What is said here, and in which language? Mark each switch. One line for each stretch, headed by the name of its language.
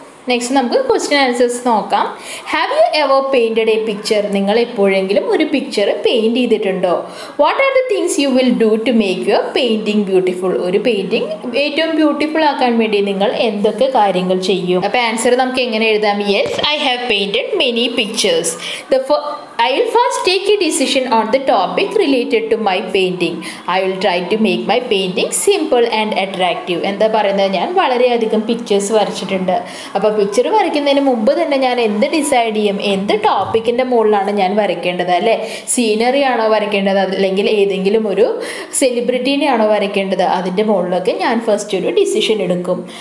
Malayalam: Next നമുക്ക് question answers നോക്കാം.
English: Have you ever painted a picture?
Malayalam: നിങ്ങൾ എപ്പോഴെങ്കിലും ഒരു പിക്ചർ പെയിൻറ്റ് ചെയ്തിട്ടുണ്ടോ?
English: What are the things you will do to make your painting beautiful?
Malayalam: ഒരു painting ഏറ്റവും ബ്യൂട്ടിഫുൾ ആക്കാൻ വേണ്ടി നിങ്ങൾ എന്തൊക്കെ കാര്യങ്ങൾ ചെയ്യും? അപ്പോൾ ആൻസർ നമുക്ക് എങ്ങനെ എഴുതാം?
English: Yes, I have painted many pictures. I will first take a decision on the topic related to my painting. I will try to make my painting simple and attractive.
Malayalam: എന്താ പറയുന്നത്, ഞാൻ വളരെയധികം പിക്ചേഴ്സ് വരച്ചിട്ടുണ്ട്. അപ്പോൾ picture വരയ്ക്കുന്നതിന് മുമ്പ് തന്നെ ഞാൻ എന്ത് ഡിസൈഡ് ചെയ്യും, എന്ത് ടോപ്പിക്കിൻ്റെ മുകളിലാണ് ഞാൻ വരയ്ക്കേണ്ടത് അല്ലേ? സീനറി ആണോ വരയ്ക്കേണ്ടത്, അല്ലെങ്കിൽ ഏതെങ്കിലും ഒരു സെലിബ്രിറ്റീനെ ആണോ വരയ്ക്കേണ്ടത്, അതിൻ്റെ മുകളിലൊക്കെ ഞാൻ ഫസ്റ്റ് ഒരു ഡിസിഷൻ എടുക്കും.